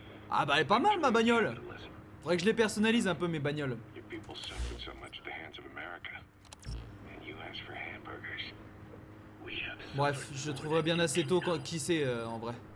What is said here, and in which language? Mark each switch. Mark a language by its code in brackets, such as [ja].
[fr] Ah bah elle est pas mal ma bagnole. Faudrait que je les personnalise un peu mes bagnoles. [en] People suffered so much at the hands of America, and you ask for hamburgers. We have. [fr] Bref, je trouverai bien assez tôt quand, qui sait en vrai.